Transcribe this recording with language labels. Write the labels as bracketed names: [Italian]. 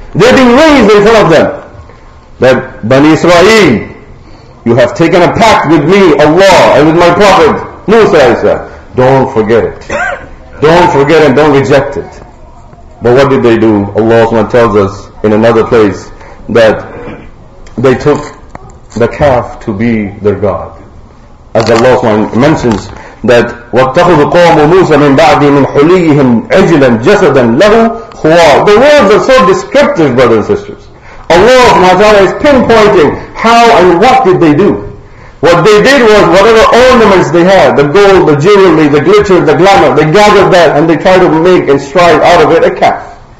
[English] They're being raised in front of them. That Bani Israel, you have taken a pact with me, Allah, and with my Prophet, Musa, Isaiah. Don't forget it. Don't forget and don't reject it. But what did they do? Allah tells us in another place that they took the calf to be their God. As Allah mentions, that [Arabic] وَاتَّخُذُ قَوْمُ مُوسَى مِنْ بَعْدِ مِنْ حُلِيِّهِمْ عِجْلًا جَسَدًا لَهُ خُوَارٌ. [English] The words are so descriptive, brothers and sisters. Allah is pinpointing how and what did they do. What they did was whatever ornaments they had, the gold, the jewelry, the glitter, the glamour, they gathered that and they tried to make and strive out of it a calf.